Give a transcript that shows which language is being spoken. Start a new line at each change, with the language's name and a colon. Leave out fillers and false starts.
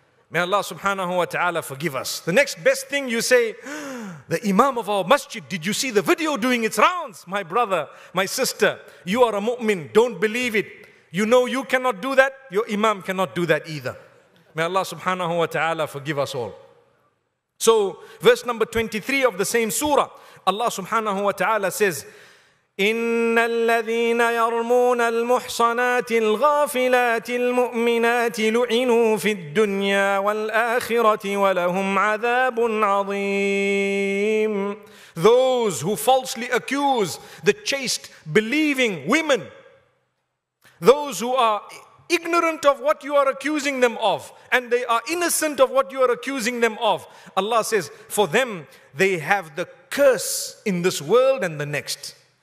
English: May Allah subhanahu wa ta'ala forgive us. The next best thing you say, the imam of our masjid, did you see the video doing its rounds? My brother, my sister, you are a mu'min. Don't believe it. You know you cannot do that. Your imam cannot do that either. May Allah subhanahu wa ta'ala forgive us all. So verse number 23 of the same surah, Allah subhanahu wa ta'ala says,
Arabic: إِنَّ الَّذِينَ يَرْمُونَ الْمُحْصَنَاتِ الْغَافِلَاتِ الْمُؤْمِنَاتِ لُعِنُوا فِي الدُّنْيَا وَالْآخِرَةِ وَلَهُمْ عَذَابٌ عَظِيمٌ.
English: Those who falsely accuse the chaste believing women, those who are ignorant of what you are accusing them of, and they are innocent of what you are accusing them of, Allah says, for them, they have the curse in this world and the next.